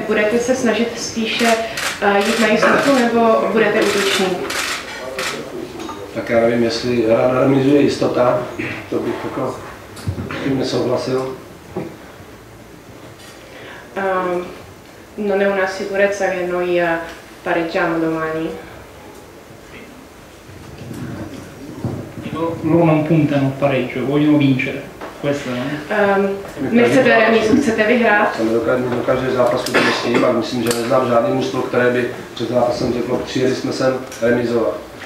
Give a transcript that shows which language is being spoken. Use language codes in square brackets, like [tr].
[cs] Budete se snažit spíše jít na jistotu nebo budete útoční? Tak já nevím, jestli hra na remízu je jistota, to bych jako tím nesouhlasil. [it] Non è una sicurezza che noi pareggiamo domani. Loro non puntano al pareggio, vogliono vincere. Questo [cs] Chcete vyhrát? Zápasu to s ním, myslím, že neznám žádný mužstvo, které by před zápasem řeklo, přijeli jsme sem remizovat.